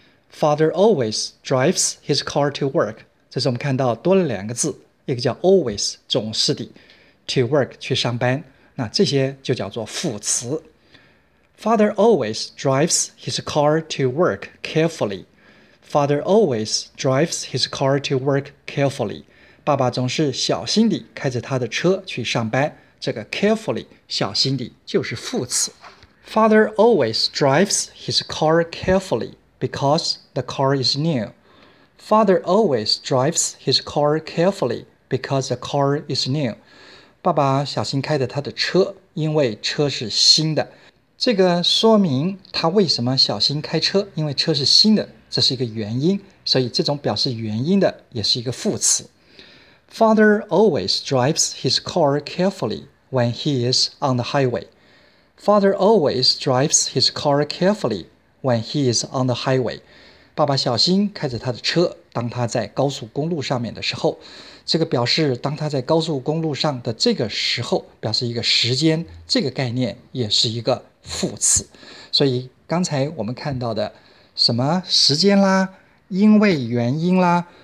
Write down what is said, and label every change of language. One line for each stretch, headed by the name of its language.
English: Father always drives his car to work.
Chinese: 这是我们看到多了两个字，一个叫 always 总是的， to work 去上班，那这些就叫做副词。
English: Father always drives his car to work carefully. Father always drives his car to work carefully.
Chinese: 爸爸总是小心地开着他的车去上班。这个 carefully 小心地就是副词。
English: Father always drives his car carefully because the car is new. Father always drives his car carefully because the car is new.
Chinese: 爸爸小心开着他的车，因为车是新的。这个说明他为什么小心开车，因为车是新的，这是一个原因，所以这种表示原因的也是一个副词。
English: Father always drives his car carefully when he is on the highway. Father always drives his car carefully when he is on the highway.
Chinese: 爸爸小心开着他的车，当他在高速公路上面的时候，这个表示当他在高速公路上的这个时候，表示一个时间，这个概念也是一个副词。所以刚才我们看到的什么时间啦，因为原因啦，